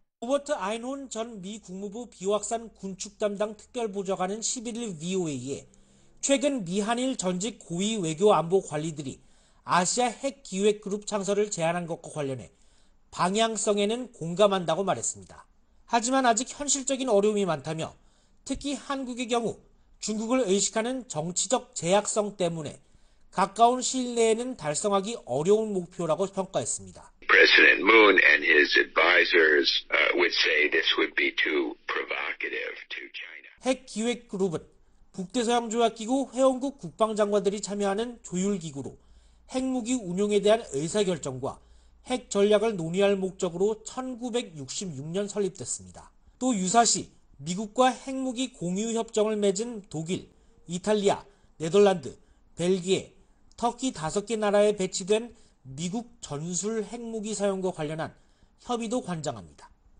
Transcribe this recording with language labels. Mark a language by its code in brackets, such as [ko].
[ko] 로버트 아인훈 전 미 국무부 비확산 군축 담당 특별보좌관은 11일 VOA에 최근 미한일 전직 고위 외교 안보 관리들이 아시아 핵기획 그룹 창설을 제안한 것과 관련해 방향성에는 공감한다고 말했습니다. 하지만 아직 현실적인 어려움이 많다며 특히 한국의 경우 중국을 의식하는 정치적 제약성 때문에 가까운 시일 내에는 달성하기 어려운 목표라고 평가했습니다. [en] President Moon and his advisors would say this would be too provocative to China. [ko] 핵 기획 그룹은 북대서양 조약기구 회원국 국방장관들이 참여하는 조율 기구로 핵무기 운용에 대한 의사결정과 핵 전략을 논의할 목적으로 1966년 설립됐습니다. 또 유사시 미국과 핵무기 공유 협정을 맺은 독일, 이탈리아, 네덜란드, 벨기에, 터키 5개 나라에 배치된 미국 전술 핵무기 사용과 관련한 협의도 관장합니다.